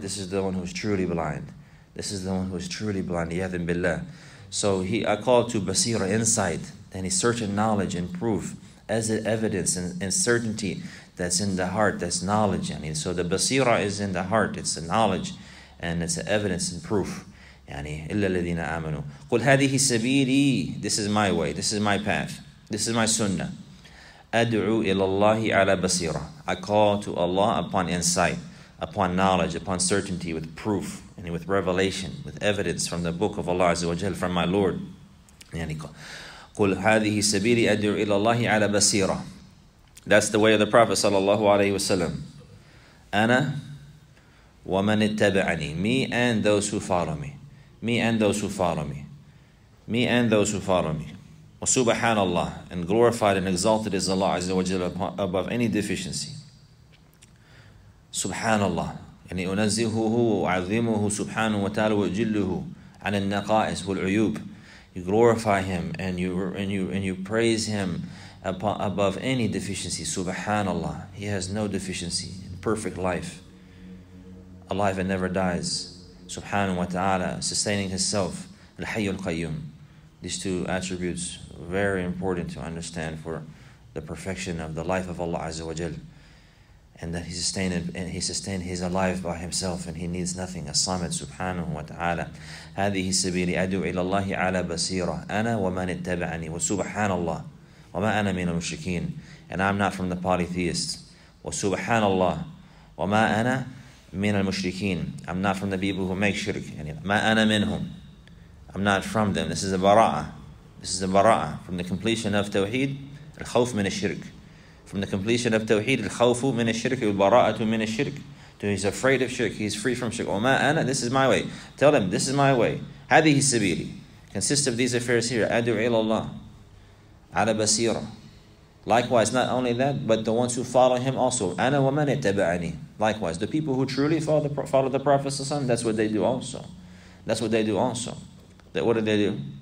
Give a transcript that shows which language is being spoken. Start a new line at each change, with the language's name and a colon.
English: This is the one who is truly blind. This is the one who is truly blind. Yadin billah. So he, I call to basira, insight, any certain knowledge and proof. As an evidence and certainty that's in the heart, that's knowledge. Yani. So the basira is in the heart, it's a knowledge and it's an evidence and proof.
Arabic: Yani, إِلَّا الَّذِينَ آمَنُوا قُلْ هَذِهِ سَبِيلِي.
English: This is my way, this is my path, this is my sunnah.
Arabic: أَدْعُوا إِلَى اللَّهِ عَلَى بَصِيرًا.
English: I call to Allah upon insight, upon knowledge, upon certainty, with proof, yani, with revelation, with evidence from the book of Allah Azza wa Jal, from my Lord.
Arabic: Yani, قُلْ هَذِهِ سَبِيلِ أَدْعُوا إِلَى اللَّهِ عَلَى بَصِيرًا.
English: That's the way of the Prophet sallallahu alayhi wa sallam.
Arabic: أَنَا وَمَنِ اتَّبَعَنِي.
English: Me and those who follow me. Me and those who follow me. Me and those who follow me.
Arabic: وَسُبْحَانَ اللَّهِ.
English: And glorified and exalted is Allah Azza wa Jalla above any deficiency.
Arabic: سُبْحَانَ اللَّهِ. يعني أُنَزِّهُهُ وَعَظِّمُهُ سُبْحَانُ وَتَعَالَى وَأُجِلُّهُ عَنِ النَّقَائِسِ وَالْعُيُوبِ.
English: You glorify him and you praise him above any deficiency. Subhanallah. He has no deficiency. Perfect life. Alive and never dies. Subhanahu wa ta'ala. Sustaining himself. Al-Hayyul Al-Qayyum. These two attributes, very important to understand for the perfection of the life of Allah Azza wa Jal. And that he sustained, he's alive by himself and he needs nothing.
Arabic: As-Samad subhanahu wa ta'ala. هذه السبيل أدعو إلى الله على بصيرة أنا ومن اتبعني وسبحان الله وما أنا من المشركين.
English: And I'm not from the polytheists.
Arabic: وسبحان الله وما أنا من المشركين.
English: I'm not from the people who make shirk.
Arabic: يعني ما أنا منهم.
English: I'm not from them. This is a bara'ah. This is a bara'ah. From the completion of tawheed,
Arabic: الخوف من الشرك.
English: From the completion of tawheed,
Arabic: الخوف من الشرك والبراءه من الشرك.
English: So he's afraid of shirk, he's free from shirk.
Arabic: وَمَا أَنَا.
English: This is my way. Tell them, this is my way.
Arabic: هَذِهِ السَّبِيلِ.
English: Consists of these affairs here.
Arabic: أَدْعُ إِلَى اللَّهِ عَلَى بَصِيرًا.
English: Likewise, not only that, but the ones who follow him also.
Arabic: أَنَا وَمَنِ اتَّبَعَنِي.
English: Likewise, the people who truly follow the Prophet ﷺ, that's what they do also. That's what they do also. That, what do they do?